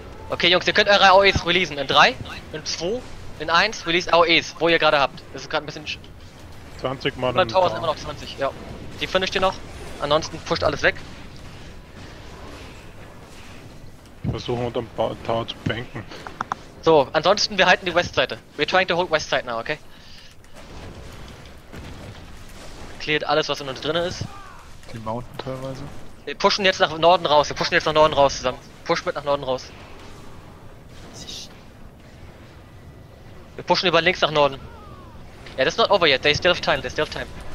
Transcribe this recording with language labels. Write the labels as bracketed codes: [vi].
[de] Okay Jungs, ihr könnt eure AOEs releasen. In 3, in 2, in 1, release AOEs, wo ihr gerade habt. Das ist gerade ein bisschen... 20 Mal im Tower. Sind immer noch 20, ja. Die finisht ihr noch. Ansonsten pusht alles weg. Versuchen unter dem Tower zu banken. So, ansonsten wir halten die Westseite. [en] We're trying to hold Westside now, okay? [de] Cleared alles, was in uns drin ist. Die Mountain teilweise. Wir pushen jetzt nach Norden raus, wir pushen jetzt nach Norden raus zusammen. Push mit nach Norden raus. Wir pushen über links nach Norden. [en] Ja, yeah, that's not over yet, they still have time, they still have time.